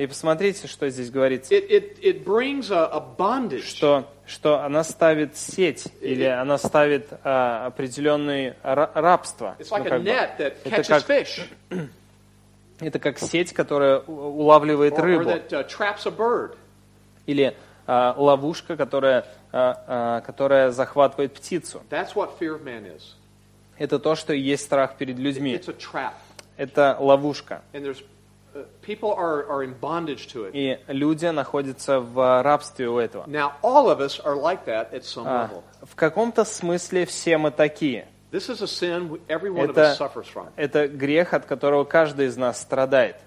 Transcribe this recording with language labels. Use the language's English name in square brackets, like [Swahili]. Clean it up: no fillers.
[Russian] И посмотрите, что здесь говорится. [English] It brings a bondage. [Russian] Что она ставит сеть, или она ставит определенное рабство. [English] It's like a net that catches fish. [Russian] Это как сеть, которая улавливает рыбу. [English] Or that traps a bird. [Russian] Или ловушка, которая захватывает птицу. [English] That's what fear of man is. [Russian] Это то, что есть страх перед людьми. [English] It's a trap. [Russian] Это ловушка. [English] And there's People are in bondage to it. [Russian] И люди находятся в рабстве у этого. [English] Now all of us are like that at some level. [Russian] В каком-то смысле все мы такие. [English] This is a sin every one of us suffers from. [Russian] Это грех, от которого каждый из нас страдает.